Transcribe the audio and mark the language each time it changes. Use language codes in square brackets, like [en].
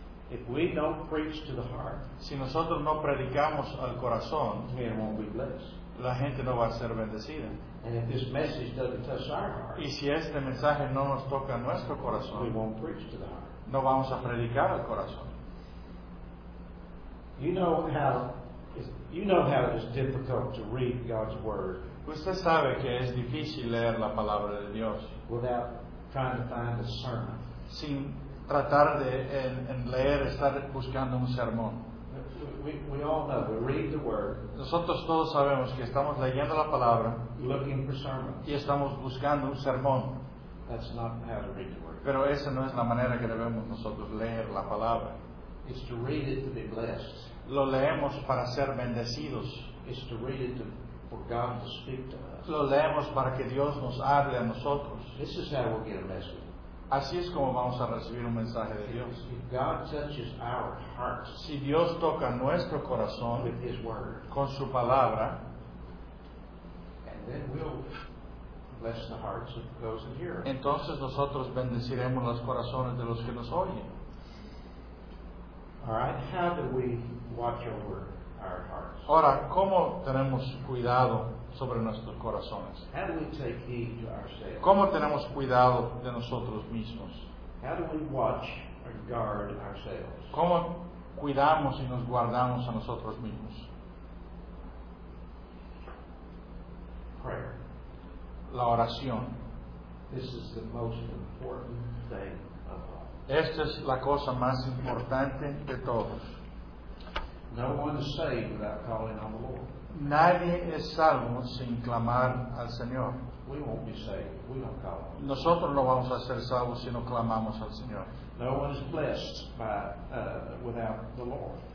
[en] If we don't preach to the heart, [es] si nosotros no predicamos al corazón, [en] we won't be blessed. [es] La gente no va a ser bendecida. [en] And if this message doesn't touch our heart, [es] y si este mensaje no nos toca nuestro corazón, [en] we won't preach to the heart. [es] No vamos a predicar al corazón. [en] You know how it is difficult to read God's word. [es] Usted sabe que es difícil leer la palabra de Dios. [en] Without trying to find a sermon. [es] Sin tratar de en leer, estar buscando un sermón. [en] We all know we read the word. [es] Nosotros todos sabemos que estamos leyendo la palabra. [en] Looking for sermons. [es] Y estamos buscando un sermón. [en] That's not how to read the word. [es] Pero esa no es la manera que debemos nosotros leer la palabra. [en] It's to read it to be blessed. [es] Lo leemos para ser bendecidos. [en] It's to read it for God to speak to us. [es] Lo leemos para que Dios nos hable a nosotros. [en] This is how we'll get a message. [es] Así es como vamos a recibir un mensaje de Dios. [en] If God touches our hearts, [es] si Dios toca nuestro corazón [en] with His word, [es] con su palabra, [en] and then we'll bless the hearts of those who hear. [es] Entonces nosotros bendeciremos los corazones de los que nos oyen. [en] All right, how do we watch over our hearts? [es] Ahora, ¿cómo tenemos cuidado sobre nuestros corazones? [en] How do we take heed to ourselves? [es] ¿Cómo tenemos cuidado de nosotros mismos? [en] How do we watch or guard ourselves? [es] ¿Cómo cuidamos y nos guardamos a nosotros mismos? [en] Prayer. [es] La oración. [en] This is the most important thing of all. [es] Esta es la cosa más importante de todos. [en] No one is saved without calling on the Lord. [es] Nadie es salvo sin clamar al Señor. [en] We won't be saved. We don't call on the Lord. [es] Nosotros no vamos a ser salvos si no clamamos al Señor. [en] No one is blessed by without the Lord.